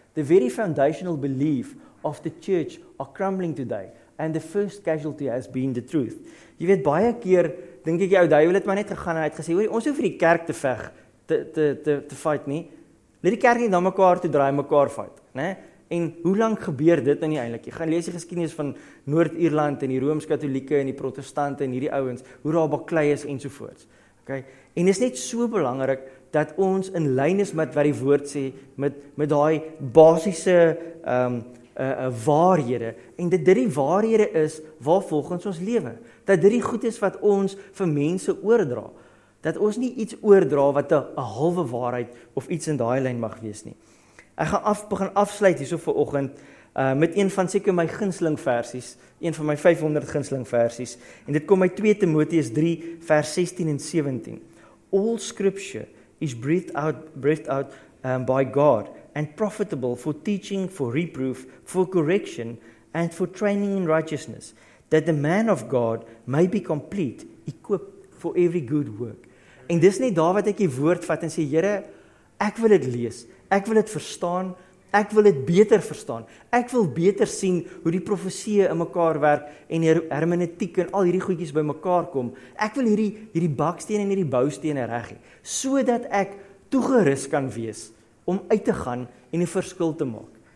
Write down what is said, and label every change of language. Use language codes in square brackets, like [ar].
[en] The very foundational belief of the church are crumbling today, and the first casualty has been the truth. [af] Jy weet, baie keer, dink ek die ou duiwel het maar net gegaan en het gesê, hoor, ons hoef vir die kerk te veg, te fight nie. Let die kerk nie dan mekaar te draai, mekaar fight, ne? En hoe lank gebeur dit nou nie eintlik? Jy gaan lees die geskiedenis van Noord-Ierland en die Rooms-Katolieke en die Protestante en hierdie ouens, hoe daar baklei is ensovoorts. Okay? En is net so belangrik dat ons in lyn is met wat die woord sê, met daai basiese waarhede. En dit die waarhede is waar volgens ons lewe. Dat dit die goed is wat ons vir mense oordra. Dat ons nie iets oordra wat 'n halwe waarheid of iets in daai lyn mag wees nie. Ek gaan begin afsluit hierso vir oggend met een van seker my gunsteling versies, een van my 500 gunsteling versies en dit kom uit 2 Timoteus 3 vers 16 en 17. [en] All scripture is breathed out by God and profitable for teaching, for reproof, for correction and for training in righteousness, that the man of God may be complete, equipped for every good work. [af] En dis net daar wat ek die woord vat en sê Here, ek wil dit lees. Ek wil dit verstaan, Ek wil dit beter verstaan. Ek wil beter sien hoe die profesieë in mekaar werk en die hermeneutiek en al hierdie goedjies by mekaar kom. Ek wil hierdie bakstene en hierdie boustene reg hê sodat ek toegerus kan wees om uit te gaan en 'n verskil te maak.